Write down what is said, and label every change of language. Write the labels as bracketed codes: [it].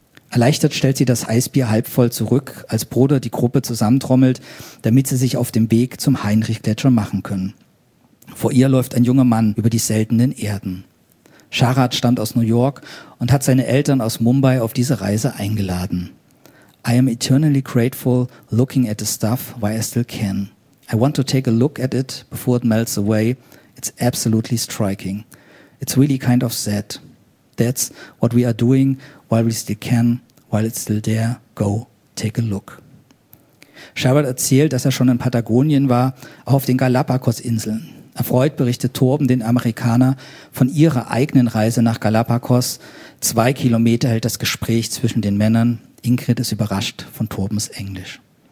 [de] Erleichtert stellt sie das Eisbier halbvoll zurück, als Bruder die Gruppe zusammentrommelt, damit sie sich auf dem Weg zum Heinrichgletscher machen können. Vor ihr läuft ein junger Mann über die seltenen Erden. Sharad stammt aus New York und hat seine Eltern aus Mumbai auf diese Reise eingeladen. [en] I am eternally grateful looking at the stuff while I still can. I want to take a look at it before it melts away. It's absolutely striking. It's really kind of sad. That's what we are doing while we still can, while it's still there. Go take a look. [de] Sherbert erzählt, dass er schon in Patagonien war, auch auf den Galapagos-Inseln. Erfreut berichtet Torben den Amerikaner von ihrer eigenen Reise nach Galapagos. 2 Kilometer hält das Gespräch zwischen den Männern. Ingrid ist überrascht von Torbens Englisch.